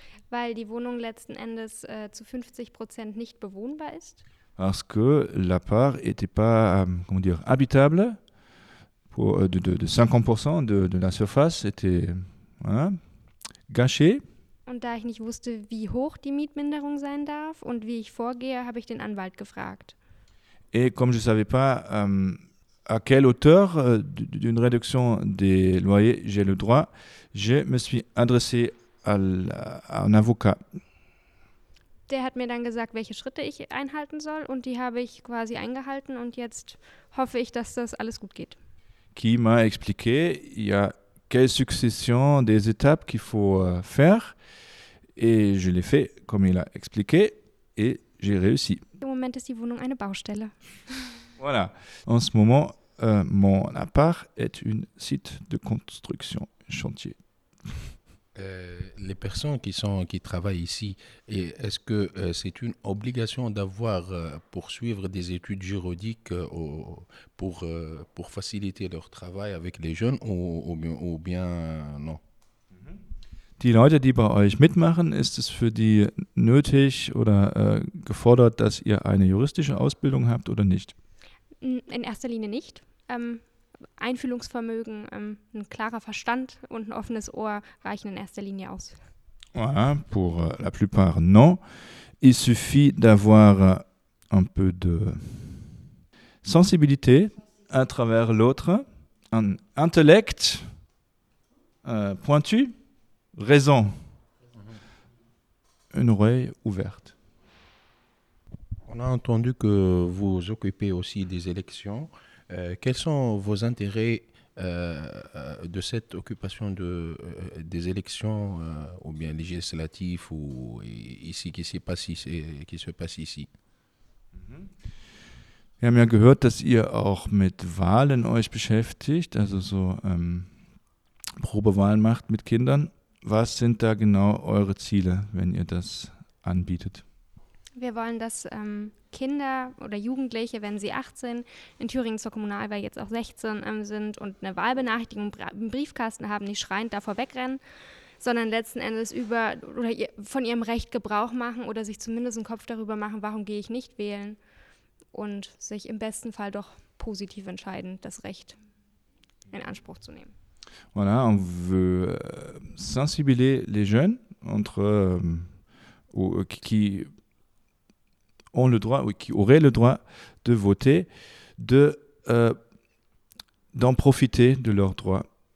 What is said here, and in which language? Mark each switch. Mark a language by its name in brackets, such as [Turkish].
[German] Weil die Wohnung letzten Endes zu 50% nicht bewohnbar ist. [French] Parce que l'appart n'était pas, comment dire, habitable pour, de 50% de la surface était, voilà, gâchée. [German] Und da ich nicht wusste, wie hoch die Mietminderung sein darf und wie ich vorgehe, habe ich den Anwalt gefragt. [French] Et comme je ne savais pas à quelle hauteur d'une réduction des loyers j'ai le droit, je me suis adressé à un avocat. [German] Der hat mir dann gesagt, welche Schritte ich einhalten soll, und die habe ich quasi eingehalten, und jetzt hoffe ich, dass das alles gut geht. [French] Qui m'a expliqué il y a quelle succession des étapes qu'il faut faire. Et je l'ai fait comme il a expliqué et j'ai réussi. [German] Im Moment ist die Wohnung eine Baustelle. [French] Voilà. En ce moment, mon appart est un site de construction, un chantier. Les personnes qui travaillent ici, est-ce que c'est une obligation d'avoir pour suivre des études juridiques pour faciliter leur travail avec les jeunes ou bien non? [German] Die Leute, die bei euch mitmachen, ist es für die nötig oder gefordert, dass ihr eine juristische Ausbildung habt oder nicht? In erster Linie nicht. Einfühlungsvermögen, ein klarer Verstand und ein offenes Ohr reichen in erster Linie aus. [French] Voilà, pour la plupart, non. Il suffit d'avoir un peu de sensibilité à travers l'autre, un intellect pointu, raison. Une oreille ouverte. On a entendu que vous occupez aussi des élections. Quels sont vos intérêts de cette occupation de, des élections, ou bien législatives, ou ici, qui se passe ici? [German] Wir haben ja gehört, dass ihr auch mit Wahlen euch beschäftigt, also so Probewahlen macht mit Kindern. Was sind da genau eure Ziele, wenn ihr das anbietet? Wir wollen, dass Kinder oder Jugendliche, wenn sie 18 in Thüringen zur Kommunalwahl, jetzt auch 16 sind und eine Wahlbenachrichtigung im Briefkasten haben, nicht schreiend davor wegrennen, sondern letzten Endes über oder von ihrem Recht Gebrauch machen oder sich zumindest einen Kopf darüber machen, warum gehe ich nicht wählen, und sich im besten Fall doch positiv entscheiden, das Recht in Anspruch zu nehmen. [French] Voilà, on veut sensibiliser les jeunes entre qui ont le droit ou qui auraient le droit de voter, de d'en profiter de leurs droits.